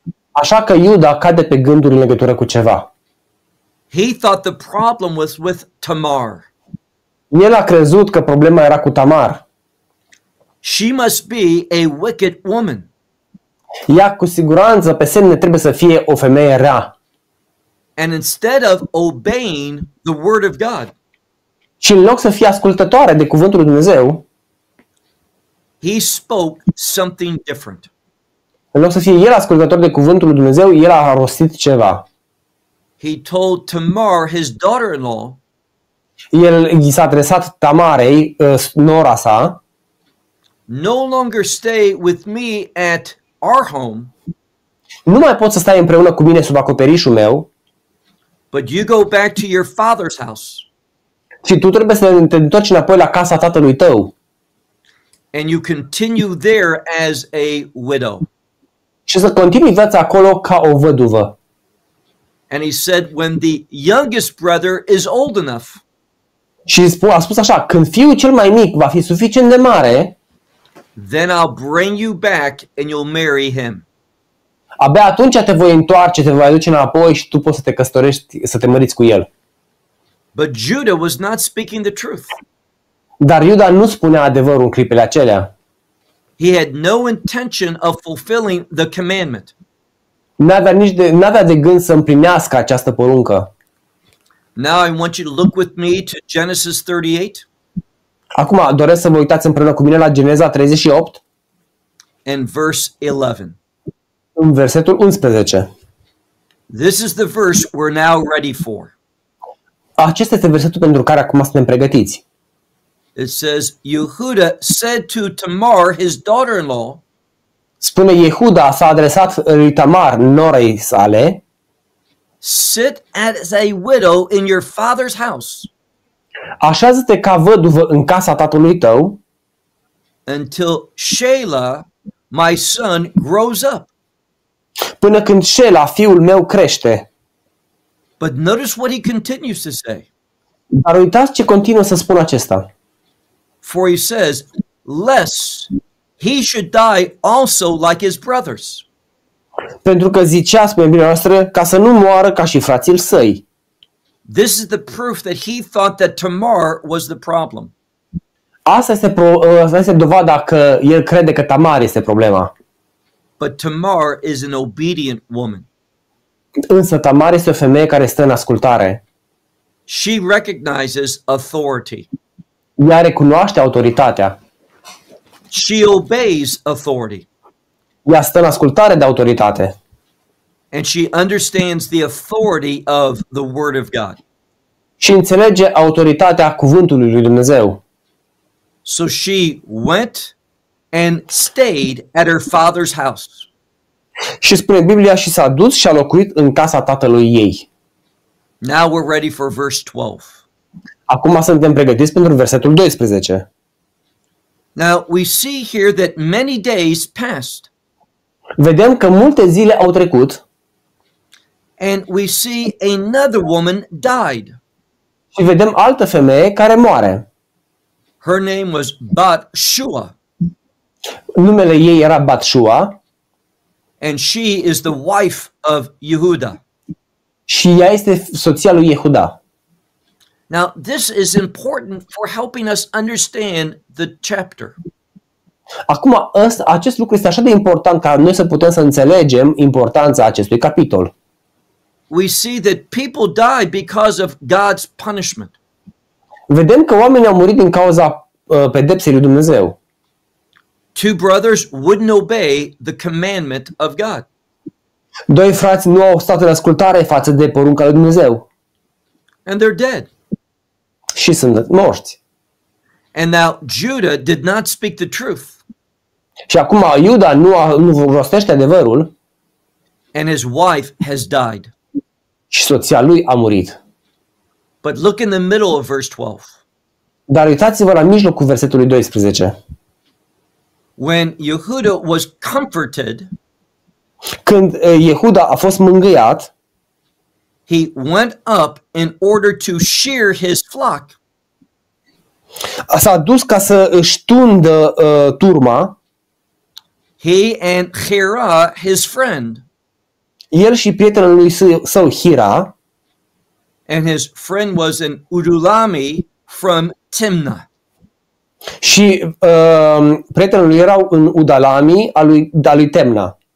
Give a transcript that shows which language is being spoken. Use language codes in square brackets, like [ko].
[ro] Așa că Iuda cade pe gânduri în legătură cu ceva. [en] He thought the problem was with Tamar. [ro] El a crezut că problema era cu Tamar. [en] She must be a wicked woman. [ro] Ea cu siguranță pe semne trebuie să fie o femeie rea. [en] And instead of obeying the word of God. [ro] Și în loc să fie ascultătoare de cuvântul lui Dumnezeu, [en] he spoke something different. [ro] În loc să fie el ascultător de cuvântul lui Dumnezeu, el a rostit ceva. [en] He told Tamar, his daughter-in-law, [ro] el i s-a adresat Tamarei, nora sa. [en] No longer stay with me at our home. [ro] Nu mai poți să stai împreună cu mine sub acoperișul meu. [en] But you go back to your father's house. [ro] Și tu trebuie să te întorci înapoi la casa tatălui tău. [en] And you continue there as a widow. [ro] Și să continui viața acolo ca o văduvă. [en] And he said when the youngest brother is old enough. [ro] Și a spus așa, când fiul cel mai mic va fi suficient de mare, [en] then I'll bring you back and you'll marry him. [ro] Abia atunci te voi întoarce, te voi aduce înapoi și tu poți să te căsătorești, să te măriți cu el. [en] But Judah was not speaking the truth. [ro] Dar Iuda nu spunea adevărul în clipele acelea. [en] He had no intention of fulfilling the commandment. [ro] N-avea de gând să împlinească această poruncă. [en] Now I want you to look with me to Genesis 38. [ro] Acum doresc să vă uitați împreună cu mine la Geneza 38. [en] And verse 11. [ro] În versetul 11. [en] This is the verse we're now ready for. [ro] Acesta este versetul pentru care acum suntem pregătiți. [en] It says, Yehuda said to Tamar, his daughter-in-law. [ro] Spune Yehuda s-a adresat lui Tamar, norei sale. [en] Sit as a widow in your father's house. [ro] Așează-te ca văduvă în casa tatălui tău. [en] Until Shelah, my son, grows up. [ro] Până când Shelah, fiul meu, crește. [en] But notice what he continues to say. [ro] Dar uitați ce continuă să spună acesta. [en] For he says, lest he should die also like his brothers. [ro] Pentru că zicea, spune bine noastră, ca să nu moară ca și frații săi. [en] This is the proof that he thought that Tamar was the problem. [ro] Asta este dovada că el crede că Tamar este problema. [en] But Tamar is an obedient woman. [ro] Însă Tamar este o femeie care stă în ascultare. [en] She recognizes authority. [ro] Ea recunoaște autoritatea. [en] She obeys authority. [ro] Ea stă în ascultare de autoritate. [en] And she understands the authority of the word of God. [ro] Și înțelege autoritatea cuvântului lui Dumnezeu. [en] So she went and stayed at her father's house. [ro] Și spune Biblia și s-a dus și a locuit în casa tatălui ei. [en] Now we're ready for verse 12. [ro] Acum suntem pregătiți pentru versetul 12. [en] Now we see here that many days passed. [ro] Vedem că multe zile au trecut. [en] And we see another woman died. [ro] Și vedem altă femeie care moare. [en] Her name was Bathsheba. [ro] Numele ei era Bathsheba. [en] And she is the wife of Yehuda. [ro] Și ea este soția lui Yehuda. [en] Now, this is important for helping us understand the chapter. [ro] Acum, acest lucru este așa de important ca noi să putem să înțelegem importanța acestui capitol. [en] We see that people die because of God's punishment. [ro] Vedem că oamenii au murit din cauza pedepsei lui Dumnezeu. [en] two brothers wouldn't obey the commandment of God. [ro] Doi frați nu au stat în ascultare față de porunca lui Dumnezeu. [en] And they're dead. [ro] Și sunt morți. [en] And now Judah did not speak the truth. [ro] Și acum Iuda nu rostește adevărul. [en] And his wife has died. [ro] Și soția lui a murit. [en] But look in the middle of verse 12. [ro] Dar uitați-vă la mijlocul versetului 12. [en] When Yehuda was comforted, [ro] când Yehuda a fost mângâiat, [en] he went up in order to shear his flock. [ro] S-a dus ca să își tundă turma. [en] He and Hira, his friend. [ro] El și prietenul lui său Hira. [en] And his friend was an Udulami from Timna. [ro] Și prietenul lui era un Udulami al lui Timna.